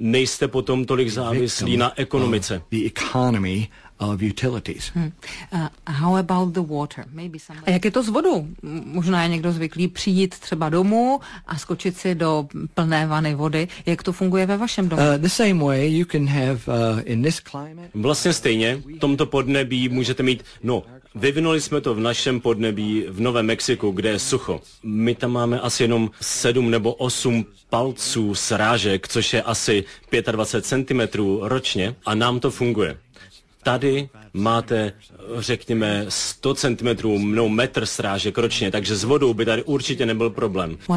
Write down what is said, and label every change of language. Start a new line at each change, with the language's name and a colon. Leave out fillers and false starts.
Czech: Nejste potom tolik závislí na ekonomice.
English: Of utilities. How about the water? Maybe somebody...
Czech: A jak je to s vodou? Možná je někdo zvyklý přijít třeba domů a skočit si do plné vany vody. Jak to funguje ve vašem domě?
English: The same way you can have in this climate.
Czech: Vlastně stejně. V tomto podnebí můžete mít, no, vyvinuli jsme to v našem podnebí v Novém Mexiku, kde je sucho. My tam máme asi jenom 7 nebo 8 palců srážek, což je asi 25 cm ročně a nám to funguje. Tady máte, řekněme, 100 cm, no metr srážek ročně, takže s vodou by tady určitě nebyl problém.